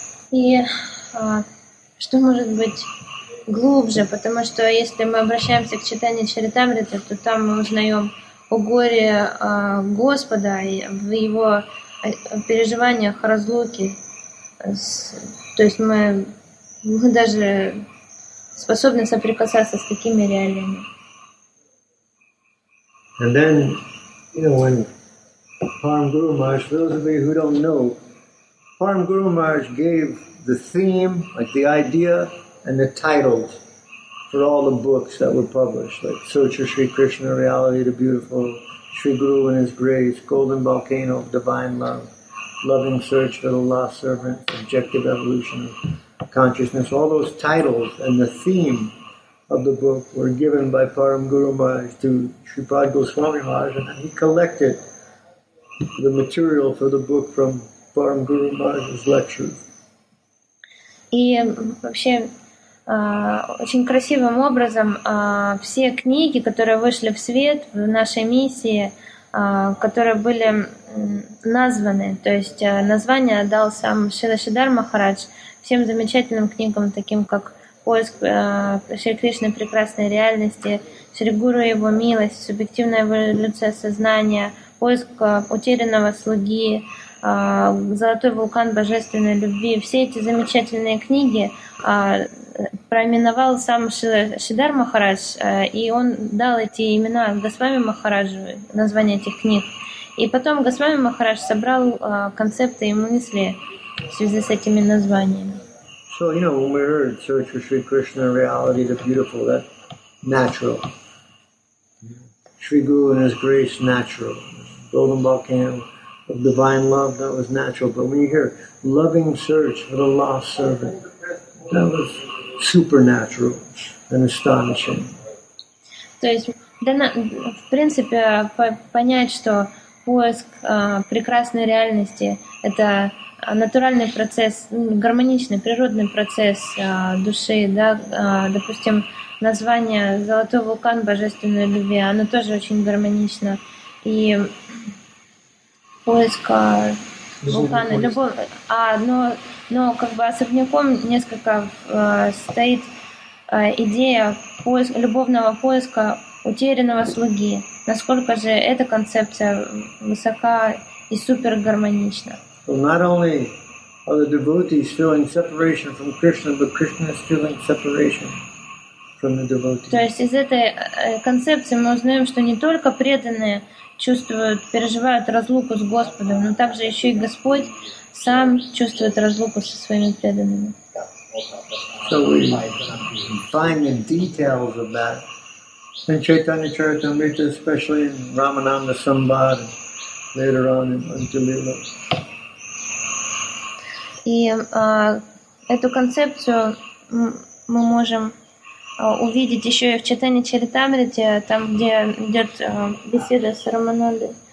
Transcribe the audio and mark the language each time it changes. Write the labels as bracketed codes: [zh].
[ru] И что может быть глубже, потому что если мы обращаемся к Чайтанье Чаритамрите, то там мы узнаем о горе Господа и в его переживаниях разлуки. То есть мы даже способны соприкасаться с такими реалиями. [en] And then, you know, when Param Guru Maharaj, those of you who don't know, Param Guru Maharaj gave the theme, like the idea and the titles for all the books that were published, like Search for Sri Krishna, Reality of the Beautiful, Sri Guru and His Grace, Golden Volcano of Divine Love, Loving Search for the Lost Servant, Objective Evolution of Consciousness. All those titles and the theme of the book were given by Param Guru Maharaj to Sripad Goswami Maharaj, and he collected the material for the book from Param Guru Maharaj's lectures. [ru] Очень красивым образом все книги, которые вышли в свет в нашей миссии, которые были названы, то есть название дал сам Шрила Шридхар Махарадж всем замечательным книгам, таким как «Поиск Шри Кришны прекрасной реальности», «Шри Гуру и его милость», «Субъективная эволюция сознания», «Поиск утерянного слуги», «Золотой вулкан божественной любви». Все эти замечательные книги проименовал сам Шридхар Махарадж, и он дал эти имена Госвами Махараджу, название этих книг. И потом Госвами Махарадж собрал концепты и мысли в связи с этими названиями. [en] So, you know, when we heard Search for Sri Krishna, Reality, the Beautiful, that natural. Sri Guru and His Grace, natural. Golden Volcano of Divine Love, that was natural. But when you hear Loving Search for the Lost Servant, that was supernatural and astonishing. [ru] То есть, в принципе, понять, что поиск прекрасной реальности — это натуральный процесс, гармоничный, природный процесс души, да, допустим, название «Золотой вулкан божественной любви», оно тоже очень гармонично. И поиск вулкана, любовь, но как бы особняком несколько стоит идея поиска, любовного поиска утерянного слуги. Насколько же эта концепция высока и супер гармонична. [en] So not only are the devotees feeling separation from Krishna, but Krishna is feeling separation from the devotees. [ru] То есть из этой концепции мы узнаем, что не только преданные чувствуют, переживают разлуку с Господом, но также еще и Господь сам чувствует разлуку со своими преданными. [en] So we find the details of that in Chaitanya Charitamrita, especially in Ramananda Sambhava, later on in Antilila. [ru] И эту концепцию мы можем увидеть еще и в Чайтанье Чаритамрите, там, где идет беседа с Раманандой.